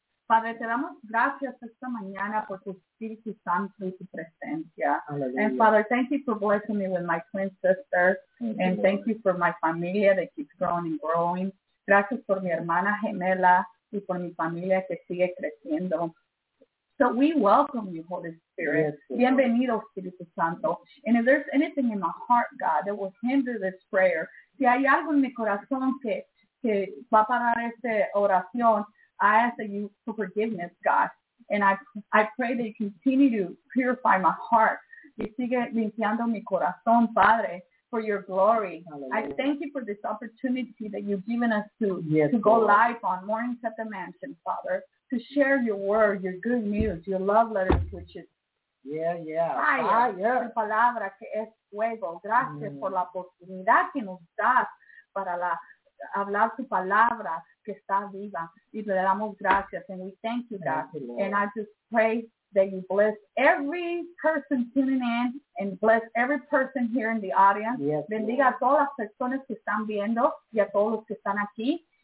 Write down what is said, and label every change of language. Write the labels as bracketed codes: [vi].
[es] Padre, te damos gracias esta mañana por tu Espíritu Santo y tu presencia. [en] Hallelujah. And Father, thank you for blessing me with my twin sister. Thank you for my familia that keeps growing and growing. [es] Gracias por mi hermana gemela y por mi familia que sigue creciendo. [en] So we welcome you, Holy Spirit. Yes, [es] bienvenido, Espíritu Santo. [en] And if there's anything in my heart, God, that will hinder this prayer, [es] si hay algo en mi corazón que va a parar esta oración, [en] I ask that you for forgiveness, God. And I pray that you continue to purify my heart. [es] Y sigue limpiando mi corazón, Padre, [en] for your glory. Hallelujah. I thank you for this opportunity that you've given us to, yes, to go live on Mornings at the Mansion, Father, to share your word, your good news, your love letters, which is fire. [es] La palabra que es fuego. Gracias por la oportunidad que nos das para hablar tu palabra que está viva. Y le damos gracias. [en] And we thank you, God. Thank you, and I just pray that you bless every person tuning in and bless every person here in the audience. Yes, [es] bendiga a todas las personas que están viendo y a todos los que están aquí.